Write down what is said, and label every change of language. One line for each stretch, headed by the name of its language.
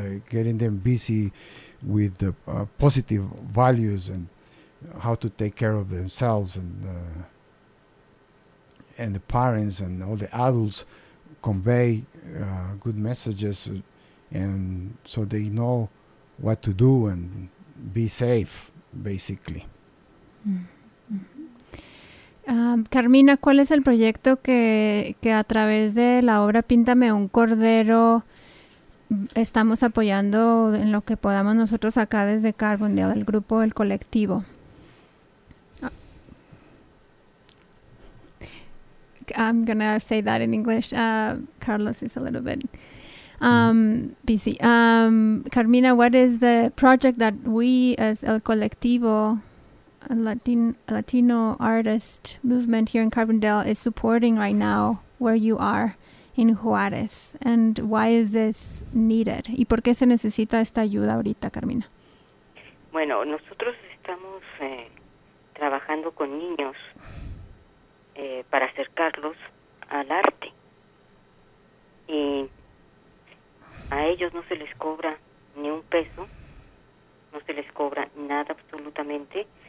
English: getting them busy with the positive values and how to take care of themselves, and the parents and all the adults convey good messages, and so they know what to do and be safe, basically.
Spanish: Carmina, ¿cuál es el proyecto que a través de la obra Píntame un Cordero estamos apoyando en lo que podamos nosotros acá desde Carbondale, del grupo, el colectivo?
English: I'm going to say that in English. Carlos is a little bit busy. Carmina, what is the project that we as El Colectivo, a Latino artist movement here in Carbondale, is supporting right now where you are in Juarez? And why is this needed?
Spanish: ¿Y por qué se necesita esta ayuda ahorita, Carmina? Bueno, nosotros estamos trabajando con niños para acercarlos al arte. Y a ellos no se les cobra ni un peso, no se les cobra nada absolutamente.